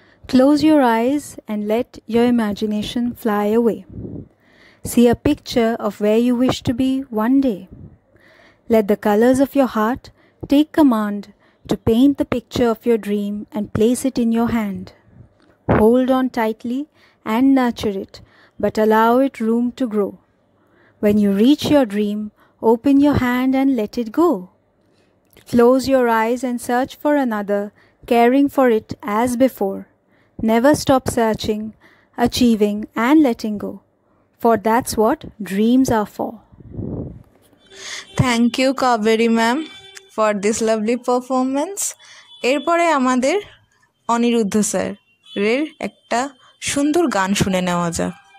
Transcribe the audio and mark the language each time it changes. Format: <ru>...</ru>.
<en>Close your eyes and let your imagination fly away. See a picture of where you wish to be one day. Let the colours of your heart take command to paint the picture of your dream and place it in your hand. Hold on tightly and nurture it, but allow it room to grow. When you reach your dream, open your hand and let it go. Close your eyes and search for another, caring for it as before. Never stop searching, achieving and letting go. For that's what dreams are for. Thank you, Kaveri ma'am, for this lovely performance.</en> <bn>Erpore amader Aniruddha sir একটা সুন্দর গান শুনে নেওয়া যাক।</bn>